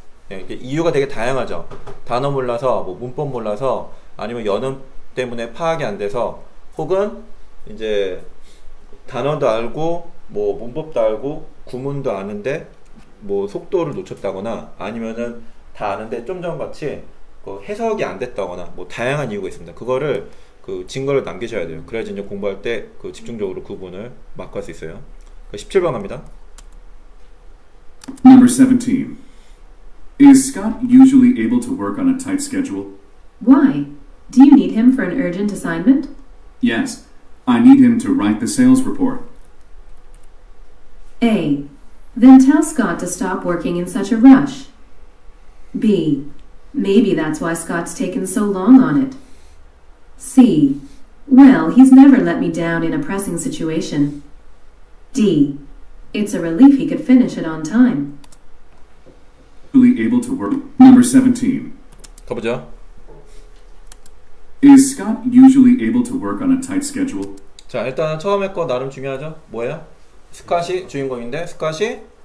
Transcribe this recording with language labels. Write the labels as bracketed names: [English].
[Korean] 네, 이유가 되게 다양하죠. 단어 몰라서, 뭐 문법 몰라서, 아니면 연음 때문에 파악이 안 돼서, 혹은 이제 단어도 알고 뭐 문법도 알고 구문도 아는데 뭐 속도를 놓쳤다거나, 아니면은 다 아는데 좀 전같이 그 해석이 안 됐다거나, 뭐 다양한 이유가 있습니다. 그거를 그 증거를 남기셔야 돼요. 그래야지 이제 공부할 때 그 집중적으로 구분을 막할 수 있어요. 17번 갑니다. [English] Number 17. Is Scott usually able to work on a tight schedule? Why? Do you need him for an urgent assignment? Yes. I need him to write the sales report. A. Then tell Scott to stop working in such a rush. B. Maybe that's why Scott's taken so long on it. C. Well, he's never let me down in a pressing situation. D. It's a relief he could finish it on time. Fully able to work. Number 17. [Korean] 가보자. [English] Is Scott usually able to work on a tight schedule? [Korean] 자, 일단 처음에 거 나름 중요하죠. 뭐예요? 스캇이 주인공인데, 스캇이